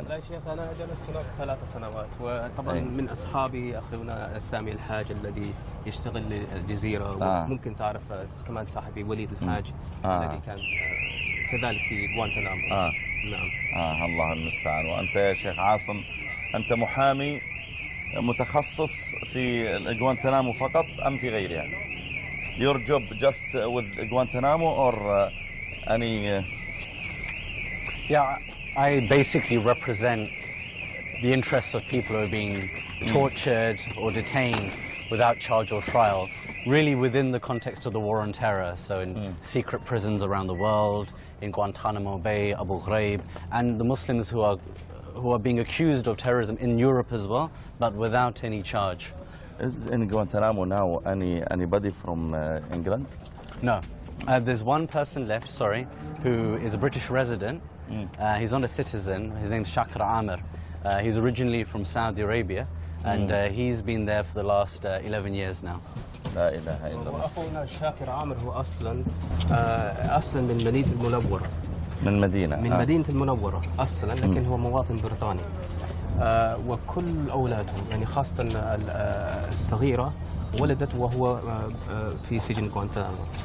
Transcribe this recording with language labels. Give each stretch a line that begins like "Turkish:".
Arabic: لا شيخ، أنا جلست هناك 3 سنوات، وطبعا من أصحابي أخونا سامي الحاج الذي يشتغل للجزيرة، وممكن تعرف كمان صاحبي وليد الحاج الذي كان كذلك في غوانتانامو. الله المستعان. وأنت يا شيخ عاصم أنت محامي متخصص في غوانتانامو فقط أم في غيرها؟
English: Your job just with Guantanamo or any... Yeah, I basically represent the interests of people who are being tortured or detained without charge or trial, really within the context of the war on terror, so in secret prisons around the world, in Guantanamo Bay, Abu Ghraib, and the Muslims who are being accused of terrorism in Europe as well, but without any charge. Is in Guantanamo now anybody from England? No. There's one person left, sorry, who is a British resident. He's not a citizen. His name's Shakir Amir. He's originally from Saudi Arabia, and he's been there for the last 11 years now.
Arabic: لا إله إلا الله. أخونا شاكر عامر هو أصلاً من مدينة المنورة. من مدينة. من مدينة المنورة أصلاً، لكن هو مواطن بريطاني. وكل أولاده يعني خاصة الصغيرة ولدت وهو في سجن غوانتانامو.